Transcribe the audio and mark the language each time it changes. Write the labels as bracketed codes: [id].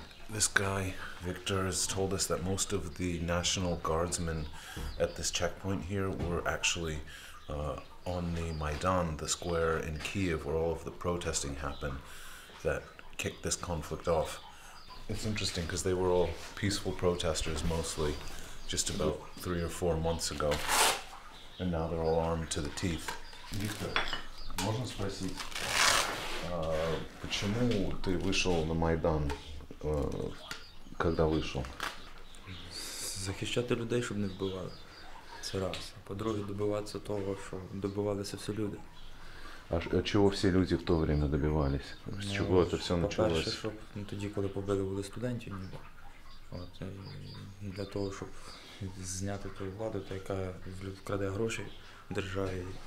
[en] This guy, Victor, has told us that most of the National Guardsmen at this checkpoint here were actually on the Maidan, the square in Kiev where all of the protesting happened that kicked this conflict off. It's interesting because they were all peaceful protesters mostly just about 3 or 4 months ago, and now they're all armed to the teeth. [ru] Victor. Можно спросить, почему ты вышел на Майдан, когда вышел? [uk] Захищати людей, щоб не вбивали. Це раз. А по-друге, добиватися того, що добивалися всі люди. А чого всі люди [ru] в то время [uk] добивались? З чого це все почалося? По-перше, щоб тоді, коли побили, були студенти, ніби. От, для того, щоб зняти ту владу, та яка вкраде гроші державі.